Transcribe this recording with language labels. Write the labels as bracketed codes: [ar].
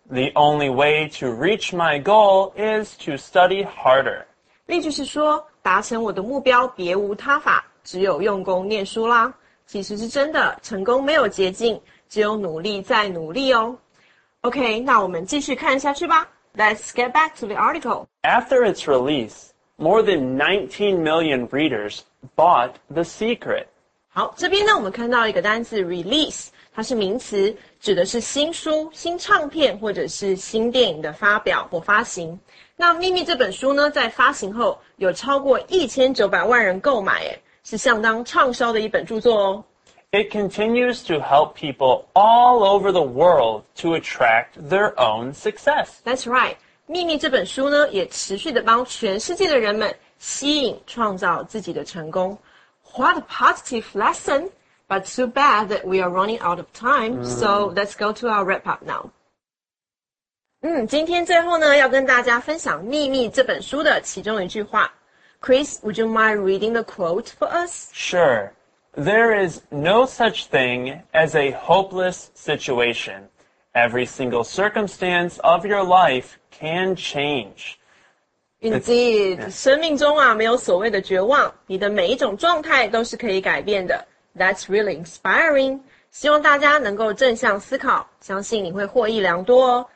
[en] The only way to reach my goal is to study harder. [zh] 例句是说，达成我的目标别无他法。只有用功念书啦，其实是真的，成功没有捷径，只有努力再努力哦。 OK, 那我们继续看下去吧。 [en] Let's get back to the article. After its release, more than 19 million readers bought The Secret. [zh] 好，这边呢，我们看到一个单字 release, 它是名词，指的是新书、新唱片或者是新电影的发表或发行。那《秘密》这本书呢，在发行后有超过1900万人购买耶。是相当畅销的一本著作哦。 [en] It continues to help people all over the world to attract their own success. That's right. [zh] 秘密这本书呢，也持续地帮全世界的人们吸引创造自己的成功。 [en] What a positive lesson! But too bad that we are running out of time, so let's go to our wrap up now. [zh] 今天最后呢，要跟大家分享秘密这本书的其中一句话。 [en] Chris, would you mind reading the quote for us? Sure. There is no such thing as a hopeless situation. Every single circumstance of your life can change. Indeed. [zh] 生命中啊，没有所谓的绝望，你的每一种状态都是可以改变的。 [en] That's really inspiring. [zh] 希望大家能够正向思考，相信你会获益良多哦。